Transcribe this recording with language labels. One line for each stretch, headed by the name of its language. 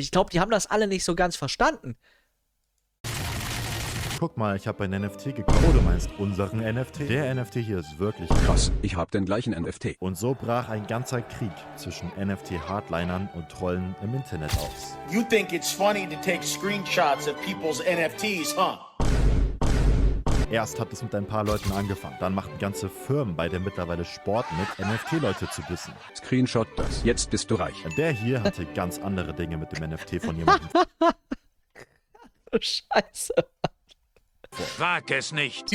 German: Ich glaube, die haben das alle nicht so ganz verstanden. Guck mal, ich habe ein NFT gekauft. Oh, du meinst unseren NFT? Der NFT hier ist wirklich krass. Ich habe den gleichen NFT. Und so brach ein ganzer Krieg zwischen NFT-Hardlinern und Trollen im Internet aus.
English: You think it's funny to take screenshots of people's NFTs, huh?
German: Erst hat es mit ein paar Leuten angefangen. Dann machten ganze Firmen bei der mittlerweile Sport mit, NFT-Leute zu dissen. Screenshot das. Jetzt bist du reich. Der hier hatte ganz andere Dinge mit dem NFT von jemandem. Scheiße. Wag es nicht.